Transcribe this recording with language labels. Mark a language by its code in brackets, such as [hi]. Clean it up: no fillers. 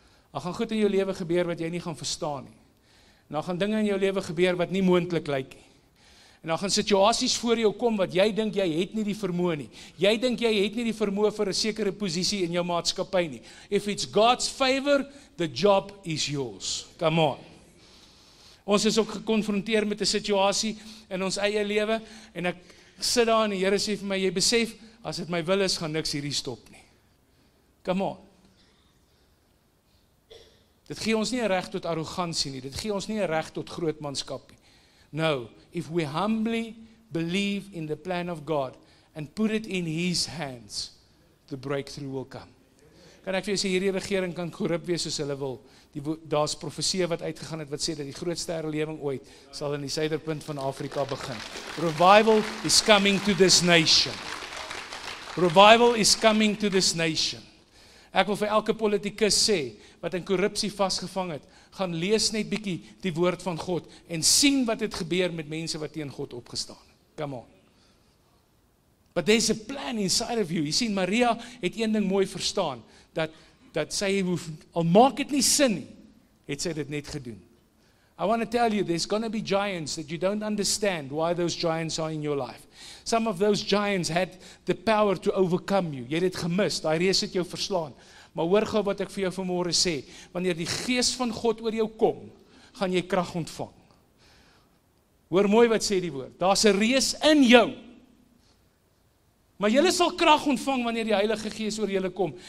[af] Daar gaan goed in jou lewe gebeur wat jy nie gaan verstaan nie. En daar gaan dinge in jou lewe gebeur wat nie moontlik lyk nie. En daar gaan situasies voor jou kom wat jy dink jy het nie die vermoë nie. Jy dink jy het nie die vermoë vir 'n sekere posisie in jou maatskappy nie. [en] If it's God's favor, the job is yours. Come on. [af] Ons is ook gekonfronteer met 'n situasie in ons eie lewe en ek sit daar en die Here sê vir my, jy besef, as dit my wil is, gaan niks hierdie stop nie. [en] Come on. [af] Dit gee ons nie 'n reg tot arrogansie nie. Dit gee ons nie 'n reg tot grootmanskap nie. [en] No, if we humbly believe in the plan of God and put it in his hands, the breakthrough will come. [af] Kan ek vir jou sê, hierdie regering kan korrup wees soos hulle wil. Daar's profeseë wat uitgegaan het wat sê dat die grootste herlewing ooit sal in die suiderpunt van Afrika begin. [en] Revival is coming to this nation. Revival is coming to this nation. [af] Ek wil vir elke politikus sê wat in korrupsie vasgevang het, gaan lees net bietjie die woord van God en sien wat het gebeur met mense wat teen God opgestaan. [en] Come on. But there's a plan inside of you. You see, [af] Maria het een ding mooi verstaan, dat sy hoef, al maak het nie sin nie, het sy dit net gedoen. [en] I want to tell you, there's going to be giants that you don't understand why those giants are in your life. Some of those giants had the power to overcome you. [af] Jy het gemis, daai reus het jou verslaan. Maar hoor gou wat ek vir jou vanmôre sê. Wanneer die gees van God oor jou kom, gaan jy krag ontvang. Hoor mooi wat sê die woord. Daar's 'n reus in jou. Maar jy sal krag ontvang wanneer die Heilige Gees oor jou kom.